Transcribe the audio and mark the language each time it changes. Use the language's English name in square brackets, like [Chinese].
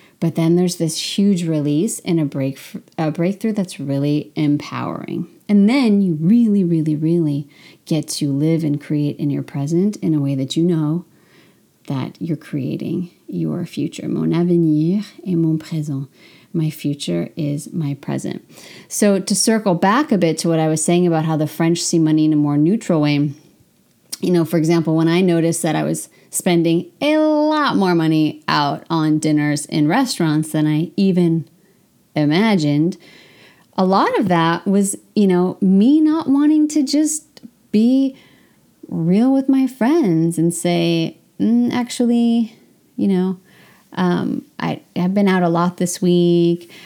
[English] But then there's this huge release and a breakthrough that's really empowering. And then you really, really, really get to live and create in your present in a way that you know that you're creating your future. [French] Mon avenir est mon présent. [English] My future is my present. So to circle back a bit to what I was saying about how the French see money in a more neutral way, you know, for example, when I noticed that I was spending a lot more money out on dinners in restaurants than I even imagined, a lot of that was, you know, me not wanting to just be real with my friends and say, actually, you know, I've been out a lot this week.